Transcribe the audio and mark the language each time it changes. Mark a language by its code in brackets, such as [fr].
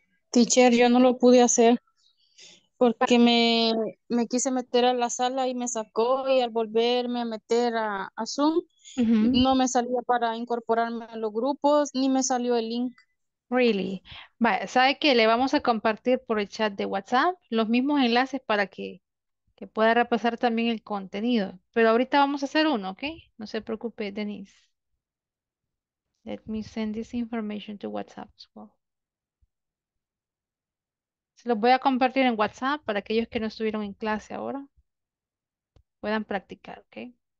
[es] Teacher, yo no lo pude hacer porque me quise meter a la sala y me sacó, y al volverme a meter a Zoom, no me salía para incorporarme a los grupos, ni me salió el link. [en] Really? [es] Vaya, ¿sabe qué? Le vamos a compartir por el chat de WhatsApp los mismos enlaces para que pueda repasar también el contenido. Pero ahorita vamos a hacer uno, ¿ok? No se preocupe, Denise. [en] Let me send this information to WhatsApp as well. [es] Se los voy a compartir en WhatsApp para aquellos que no estuvieron en clase ahora puedan practicar, ¿ok?